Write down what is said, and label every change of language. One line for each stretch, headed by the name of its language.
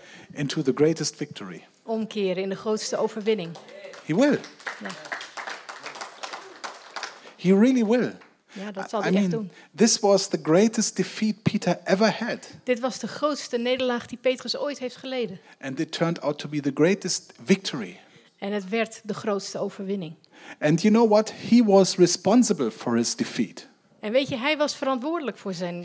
English: into the greatest victory.
Dutch: Omkeren in de grootste overwinning.
English: He will. Ja. He really will.
Dutch: Ja, dat zal hij echt doen.
English: This was the greatest defeat Peter ever had.
Dutch: Dit was de grootste nederlaag die Petrus ooit heeft geleden.
English: And it turned out to be the greatest victory.
Dutch: En het werd de grootste overwinning.
English: And you know what? He was responsible for his defeat.
Dutch: En weet je, hij was verantwoordelijk voor zijn